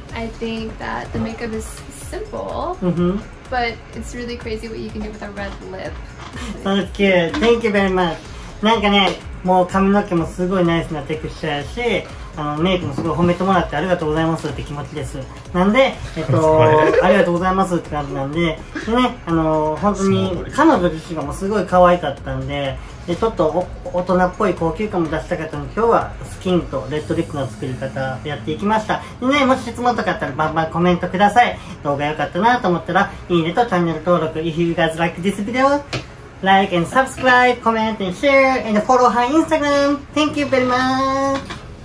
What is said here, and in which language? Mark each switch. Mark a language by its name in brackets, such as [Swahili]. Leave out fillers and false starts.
[English] I think that the makeup is simple, but it's really crazy what you can do with a red lip. So cute! Thank you very much! [Japanese] なんかね、もう髪の毛もすごいナイスなテクスチャーやし、あのメイクもすごい褒めてもらってありがとうございますって気持ちです。なんで、ありがとうございますって感じなん でね、本当に彼女自身がもうすごい可愛かったん でちょっと大人っぽい高級感も出したかったので、今日はスキンとレッドリップの作り方やっていきました。でね、もし質問とかあったらバンバンコメントください。動画良かったなと思ったらいいねとチャンネル登録。 [English] If you guys like this videoLike and subscribe, comment and share, and follow her Instagram. Thank you very much.